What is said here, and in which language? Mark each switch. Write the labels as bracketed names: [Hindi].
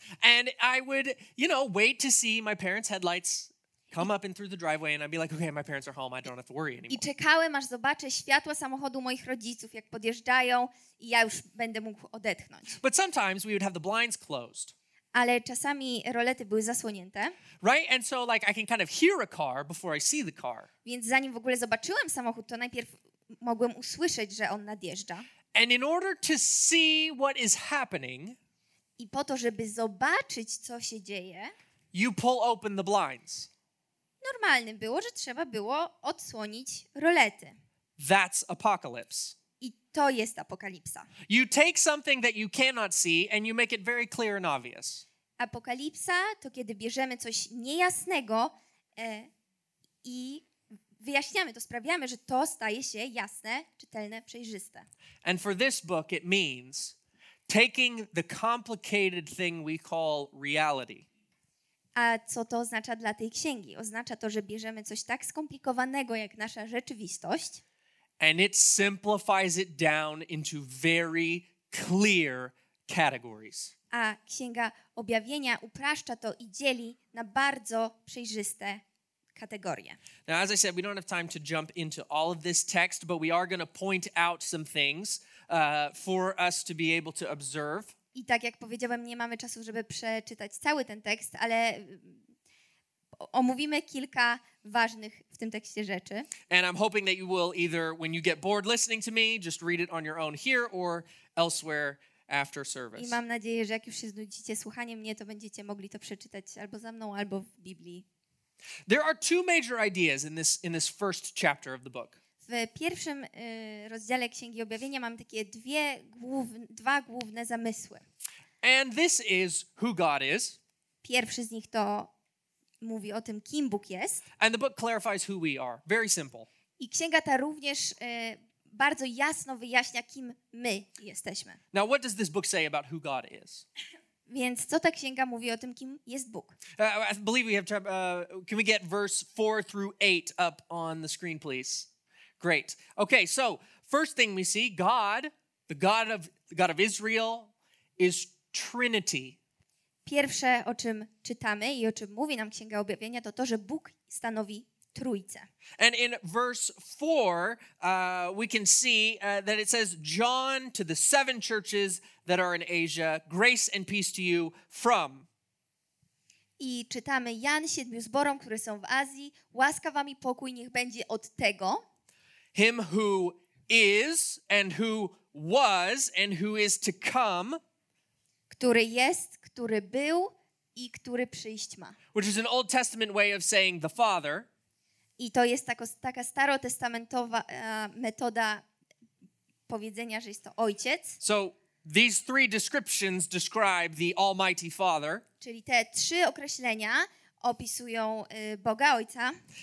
[English] And I would, you know, wait to see my parents' headlights come up and through the driveway, and I'd be like, okay, my parents are home, I don't have to worry anymore. [Polish] I czekałem, aż zobaczę światła samochodu moich rodziców, jak podjeżdżają, i ja już będę mógł odetchnąć. [English] But sometimes we would have the blinds closed. [Polish] Ale czasami rolety były zasłonięte. [English] Right, and so like I can kind of hear a car before I see the car. [Polish] Więc zanim w ogóle zobaczyłem samochód, to najpierw mogłem usłyszeć, że on nadjeżdża. [English] And in order to see what is happening, [Polish] i po to, żeby zobaczyć, co się dzieje, [English] you pull open the blinds. [Polish] Normalnym było, że trzeba było odsłonić rolety. [English] That's apocalypse. [Polish] I to jest apokalipsa. [English] You take something that you cannot see and you make it very clear and obvious. [Polish] Apokalipsa to kiedy bierzemy coś niejasnego i wyjaśniamy to, sprawiamy, że to staje się jasne, czytelne, przejrzyste. [English] And for this book it means taking the complicated thing we call reality. [Polish] A co to oznacza dla tej księgi? Oznacza to, że bierzemy coś tak skomplikowanego jak nasza rzeczywistość. [English] And it simplifies it down into very clear categories. [Polish] A księga objawienia upraszcza to i dzieli na bardzo przejrzyste kategorie. [English] Now, as I said, we don't have time to jump into all of this text, but we are going to point out some things for us to be able to observe. [Polish] I tak jak powiedziałem, nie mamy czasu, żeby przeczytać cały ten tekst, ale omówimy kilka ważnych w tym tekście rzeczy. [English] And I'm hoping that you will either, when you get bored listening to me, just read it on your own here or elsewhere after service. [Polish] I mam nadzieję, że jak już się znudzicie słuchaniem mnie, to będziecie mogli to przeczytać albo za mną, albo w Biblii. [English] There are two major ideas in this first chapter of the book. [Polish] W pierwszym rozdziale Księgi Objawienia mamy takie dwa główne zamysły. [English] And this is who God is. [Polish] Pierwszy z nich to mówi o tym, kim Bóg jest. [English] And the book clarifies who we are. Very simple. [Polish] I księga ta również bardzo jasno wyjaśnia, kim my jesteśmy. [English] Now, what does this book say about who God is? [Polish] Więc co ta księga mówi o tym, kim jest Bóg? [English] I believe we have to can we get verse 4 through 8 up on the screen, please? Great. Okay, so first thing we see, God, the God of Israel, is Trinity. [Polish] Pierwsze, o czym czytamy i o czym mówi nam Księga Objawienia, to to, że Bóg stanowi Trójcę. [English] And in verse 4, we can see that it says, John to the seven churches that are in Asia, grace and peace to you from. [Polish] I czytamy, Jan siedmiu zborom, które są w Azji, łaska wam i pokój niech będzie od tego. [English] Him who is and who was and who is to come, [Polish] który jest, który był i który przyjść ma, [English] which is an Old Testament way of saying the Father. [Polish] I to jest taka starotestamentowa metoda powiedzenia, że jest to Ojciec. [English] So these three descriptions describe the Almighty Father. [Polish] Czyli te trzy określenia opisują Boga Ojca.